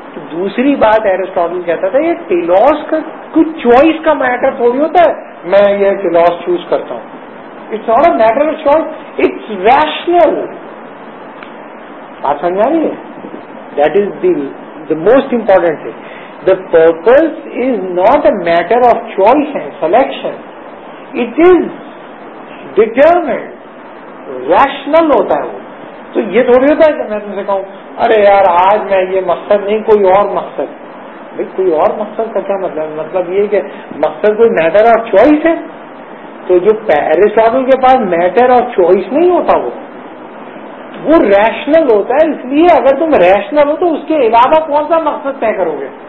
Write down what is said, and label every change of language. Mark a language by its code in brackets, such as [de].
[ur] دوسری بات ایرسٹاٹل کہتا تھا یہ ٹیلوس کا کچھ چوائس کا میٹر تھوڑی ہوتا ہے میں یہ ٹیلوس چوز کرتا ہوں [en] it's not a matter of choice it's rational [ur] بات سمجھا رہی ہے [en] That is the most important thing. The purpose is not a matter of choice and selection. It is determined. [ur] Rational ہوتا ہے وہ تو یہ تھوڑی ہوتا ہے کہ میں تم سے کہوں ارے یار آج میں یہ مقصد نہیں کوئی اور مقصد بھائی کوئی اور مقصد کا کیا مطلب مطلب یہ کہ مقصد کوئی میٹر آف چوائس ہے تو جو ایرسٹاٹل کے پاس میٹر آف چوائس نہیں ہوتا وہ ریشنل ہوتا ہے اس لیے اگر تم ریشنل ہو تو اس کے علاوہ کون سا مقصد طے کرو گے